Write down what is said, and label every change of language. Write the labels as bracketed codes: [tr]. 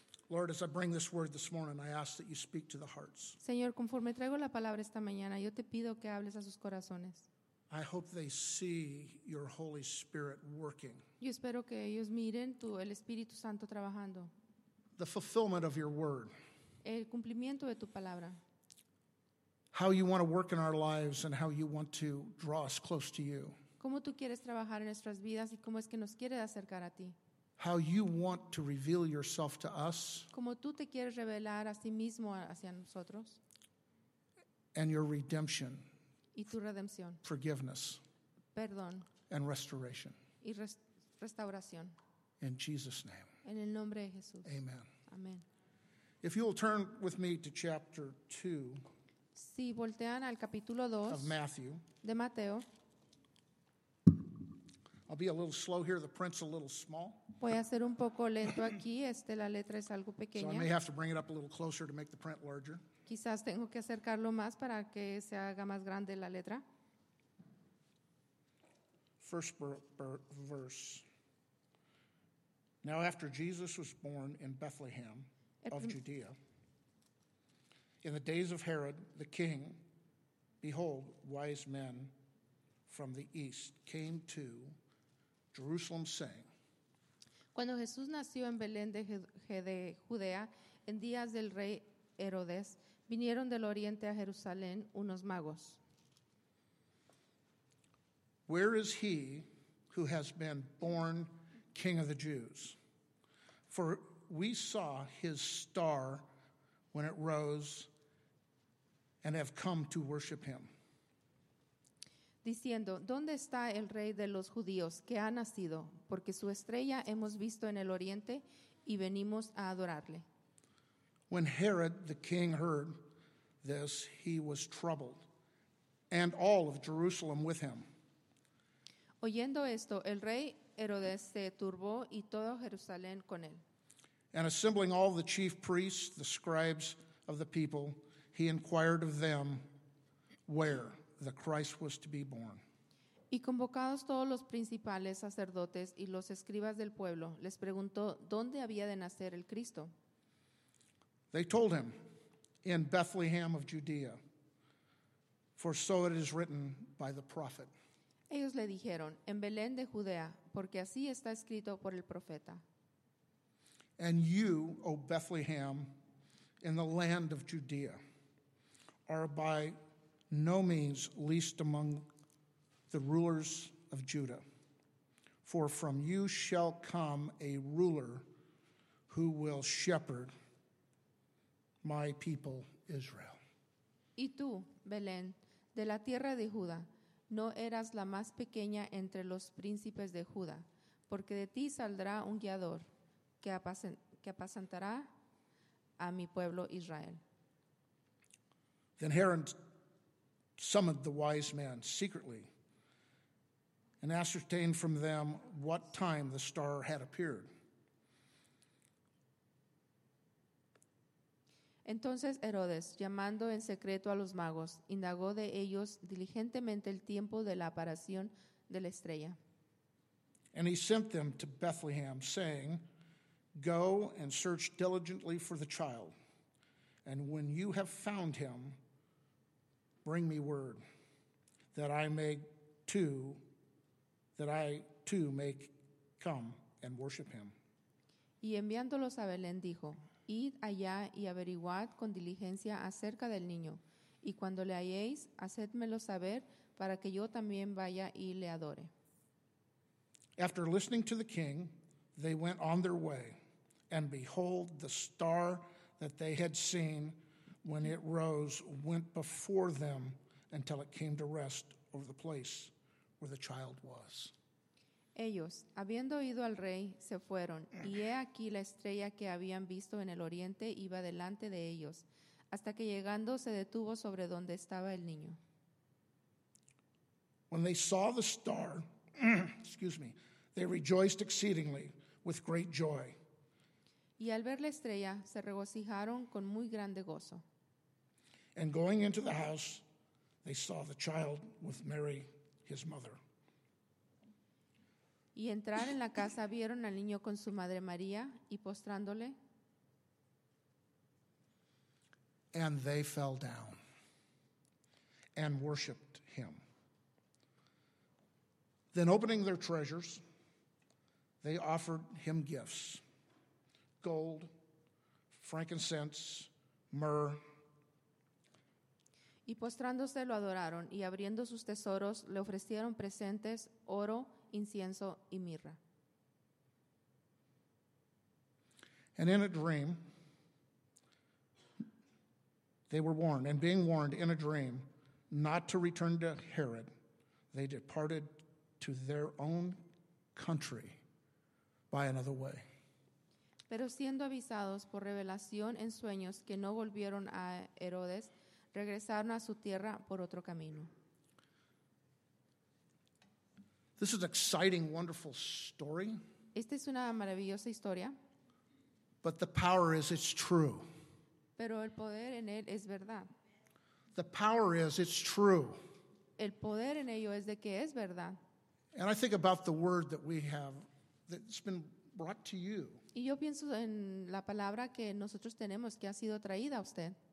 [en] Lord, as I bring this word this morning, I ask that you speak to the hearts. [es] Señor, conforme traigo la palabra esta mañana, yo te pido que hables a sus corazones. [en] I hope they see your Holy Spirit working. [es] Yo espero que ellos miren tu el Espíritu Santo trabajando. [en] The fulfillment of your word. [es] El cumplimiento de tu palabra. [en] How you want to work in our lives and how you want to draw us close to you. [es] Cómo tú quieres trabajar en nuestras vidas y cómo es que nos quieres acercar a ti. [en] How you want to reveal yourself to us. [es] Como tú te quieres revelar a sí mismo hacia nosotros. [en] And your redemption. [es] Y tu redención. [en] Forgiveness. [es] Perdón. [en] And restoration. [es] Y restauración. [en] In Jesus' name. [es] En el nombre de Jesús. [en] Amen. [es] Amen. [en] If you will turn with me to chapter 2. [es] Si voltean al capítulo 2. [en] Of Matthew. [es] De Mateo. [en] I'll be a little slow here. The print's a little small. [es] Voy a ser un poco lento aquí. La letra es algo pequeña. [en] So I may have to bring it up a little closer to make the print larger. [es] Quizás tengo que acercarlo más para que se haga más grande la letra. [en] First verse. Now after Jesus was born in Bethlehem of Judea, in the days of Herod the king, behold, wise men from the east came to Jerusalem saying. [es] Cuando Jesús nació en Belén de Judea, en días del rey Herodes, vinieron del oriente a Jerusalén unos magos. [en] Where is he who has been born king of the Jews? For we saw his star when it rose and have come to worship him. [es] Diciendo, ¿dónde está el rey de los judíos que ha nacido? Porque su estrella hemos visto en el oriente y venimos a adorarle. [en] When Herod the king heard this, he was troubled, and all of Jerusalem with him. [es] Oyendo esto, el rey Herodes se turbó y todo Jerusalén con él. [en] And assembling all the chief priests, the scribes of the people, he inquired of them where the Christ was to be born. [es] Y convocados todos los principales sacerdotes y los escribas del pueblo, les preguntó dónde había de nacer el Cristo. [en] They told him, in Bethlehem of Judea, for so it is written by the prophet. [es] Ellos le dijeron, en Belén de Judea, porque así está escrito por el profeta. [en] And you, O Bethlehem, in the land of Judea, are by no means least among the rulers of Judah. For from you shall come a ruler who will shepherd my people Israel. [es] Y tú, Belén, de la tierra de Judá, no eras la más pequeña entre los príncipes de Judá, porque de ti saldrá un guiador que apacentará a mi pueblo Israel. [en] Then Herod summoned the wise men secretly and ascertained from them what time the star had appeared. [es] Entonces Herodes, llamando en secreto a los magos, indagó de ellos diligentemente el tiempo de la aparición de la estrella. [en] And he sent them to Bethlehem, saying, go and search diligently for the child, and when you have found him, bring me word, that I too may come and worship him. [es] Y enviándolos a Belén, dijo, id allá y averiguad con diligencia acerca del niño, y cuando le halléis, hacedmelo saber para que yo también vaya y le adore. [en] After listening to the king, they went on their way, and behold, the star that they had seen when it rose went before them until it came to rest over the place where the child was. [es] Ellos, habiendo oído al rey, se fueron, y he aquí la estrella que habían visto en el oriente iba delante de ellos, hasta que llegando se detuvo sobre donde estaba el niño. [en] When they saw the star, excuse me, they rejoiced exceedingly with great joy. [es] Y al ver la estrella, se regocijaron con muy grande gozo. [en] And going into the house, they saw the child with Mary, his mother. [es] Y entrar en la casa, vieron al niño con su madre María, y postrándole. [en] And they fell down and worshiped him. Then opening their treasures, they offered him gifts, gold, frankincense, myrrh. [es] Y postrándose lo adoraron, y abriendo sus tesoros, le ofrecieron presentes, oro, incienso y mirra. [en] And in a dream, they were warned, and being warned in a dream not to return to Herod, they departed to their own country by another way. [es] Pero siendo avisados por revelación en sueños que no volvieron a Herodes, regresaron a su tierra por otro camino. [en] This is an exciting, wonderful story. [es] Esta es una maravillosa historia. [en] But the power is, it's true. [es] Pero el poder en él es verdad. [en] The power is, it's true. [es] El poder en ello es de que es verdad. [en] And I think about the word that we have that's been brought to you. [es] Y yo pienso en la palabra que nosotros tenemos que ha sido traída a usted.